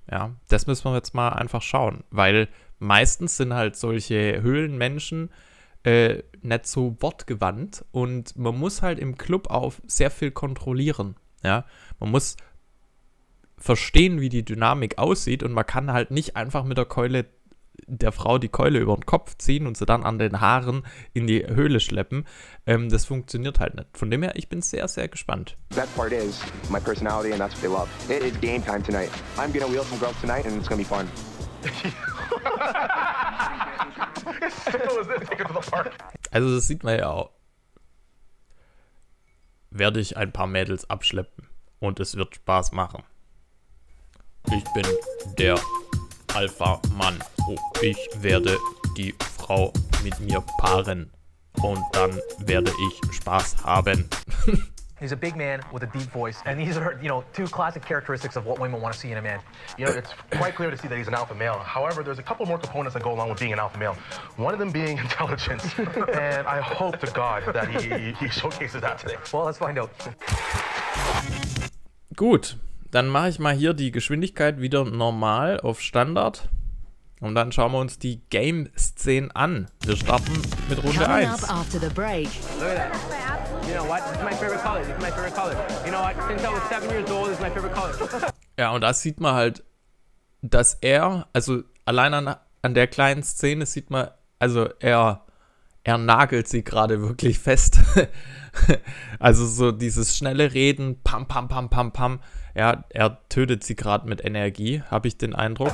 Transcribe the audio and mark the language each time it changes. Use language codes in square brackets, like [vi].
[de] Ja, das müssen wir jetzt mal einfach schauen, weil meistens sind halt solche Höhlenmenschen nicht so wortgewandt und man muss halt im Club auf sehr viel kontrollieren. Ja, man muss verstehen, wie die Dynamik aussieht und man kann halt nicht einfach mit der Keule der Frau die Keule über den Kopf ziehen und sie dann an den Haaren in die Höhle schleppen, das funktioniert halt nicht. Von dem her, ich bin sehr, sehr gespannt. [en] Best part is my personality and that's what they love. It is game time tonight. I'm gonna wheel some girls tonight and it's gonna be fun. [de] Also das sieht man ja auch. Werde ich ein paar Mädels abschleppen und es wird Spaß machen. Ich bin der Alpha-Mann. Oh, ich werde die Frau mit mir paaren und dann werde ich Spaß haben. [en] He's a big man with a deep voice and these are, you know, two classic characteristics of what women want to see in a man. You know, it's quite clear to see that he's an alpha male. However, there's a couple more components that go along with being an alpha male. One of them being intelligence and I hope to God that he showcases that today. Well, let's find out. [de] Gut. Dann mache ich mal hier die Geschwindigkeit wieder normal auf Standard und dann schauen wir uns die Game-Szene an. Wir starten mit Runde 1. [en] Coming up after the break. Look at that. You know what? This is my favorite color. This is my favorite color. You know what? Since I was 7 years old, this is my favorite color. [de] Ja, und da sieht man halt, dass er, also allein an der kleinen Szene sieht man, also er nagelt sie gerade wirklich fest. Also so dieses schnelle Reden, pam, pam, pam, pam, pam. Ja, er tötet sie gerade mit Energie, habe ich den Eindruck.